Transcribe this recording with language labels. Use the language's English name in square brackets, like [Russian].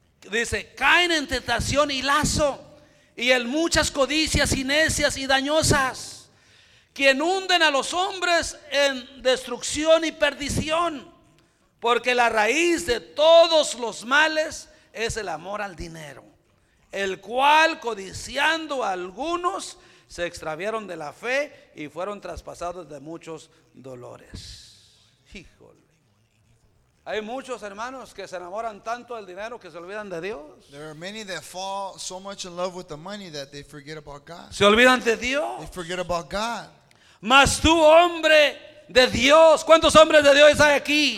[Spanish] dice, caen en tentación y lazo, y en muchas codicias y necias y dañosas, quien hunden a los hombres en destrucción y perdición, porque la raíz de todos los males es el amor al dinero, el cual, codiciando a algunos, se extraviaron de la fe y fueron traspasados de muchos dolores. Híjole. Hay muchos hermanos que se enamoran tanto del dinero que se olvidan de Dios. [English] There are many that fall so much in love with the money that they forget about God. [Spanish] Se olvidan de Dios. [English] They forget about God. [Spanish] Mas tú, hombre de Dios, ¿cuántos hombres de Dios hay aquí?